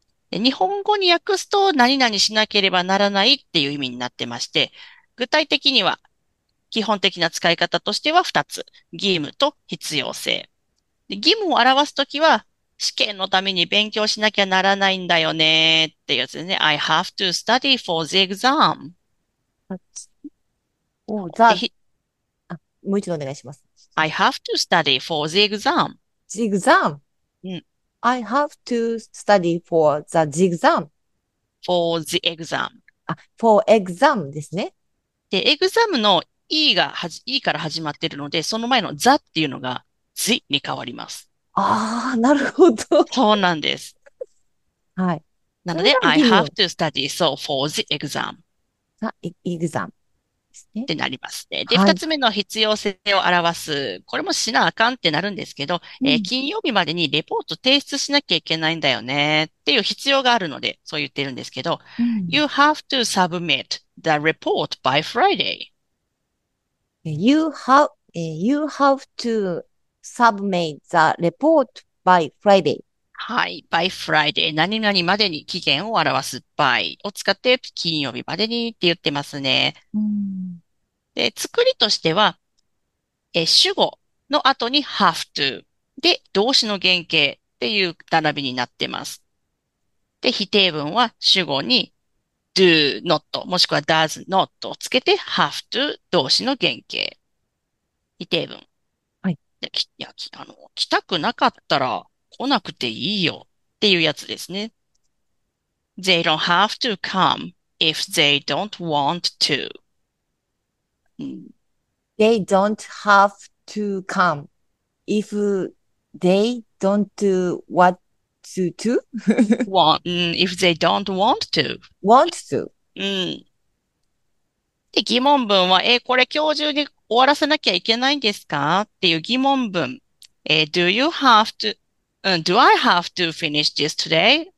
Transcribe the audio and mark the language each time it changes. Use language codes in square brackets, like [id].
[ja] で、日本語に訳すと何々しなければならないっていう意味になってまして、具体的には基本的な使い方としては2つ、義務と必要性。で、義務を表すときは試験のために勉強しなきゃならないんだよねっていうやつですね。 [en] I have to study for the exam。 [ja] もう一度お願いします。 [en] I have to study for the exam. The exam?、I have to study for the exam. For the exam. For exam [ja] ですね。で、exam の e から始まっているので、その前の the っていうのが the に変わります。ああ、なるほど。そうなんです。はい。なので、 [en] I have to study so for the exam. Exam. [ja] ってなりますね。で、二、はい、つ目の必要性を表す。これもしなあかんってなるんですけど、金曜日までにレポート提出しなきゃいけないんだよねっていう必要があるので、そう言ってるんですけど、 [en] You have to submit the report by Friday. You have to submit the report by Friday. [ja] はい。 [en] by Friday. [ja] 何々までに期限を表す by を使って金曜日までにって言ってますね。うん、で、作りとしては、主語の後に have to で動詞の原型っていう並びになってます。で、否定文は主語に do not もしくは does not をつけて have to 動詞の原型。否定文。で、き、いや、き、あの、来たくなかったら来なくていいよっていうやつですね。 [en] They don't have to come if they don't want to. They don't have to come if they don't do what to do. If they don't want to. Want to. [ja] で、疑問文は、これ今日中に終わらせなきゃいけないんですか? っていう疑問文。 [en] Do you have to, do I have to finish this today?